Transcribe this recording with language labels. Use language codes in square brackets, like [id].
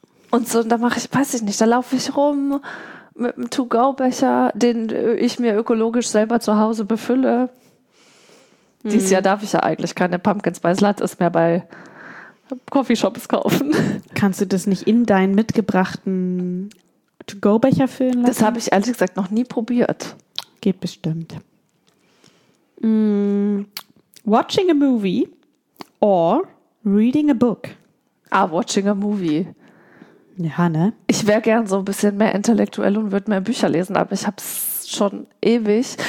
[de] Und so, und da mache ich, weiß ich nicht, da laufe ich rum mit einem To-Go-Becher, den ich mir ökologisch selber zu Hause befülle. Dieses Jahr darf ich ja eigentlich keine Pumpkin Spice Lattes mehr bei Coffeeshops kaufen. Kannst du das nicht in deinen mitgebrachten To-Go-Becher füllen lassen? Das habe ich ehrlich gesagt noch nie probiert. Geht bestimmt. [en] Watching a movie or reading a book? Ah, watching a movie. [de] Ja, ne? Ich wäre gern so ein bisschen mehr intellektuell und würde mehr Bücher lesen, aber ich habe es schon ewig.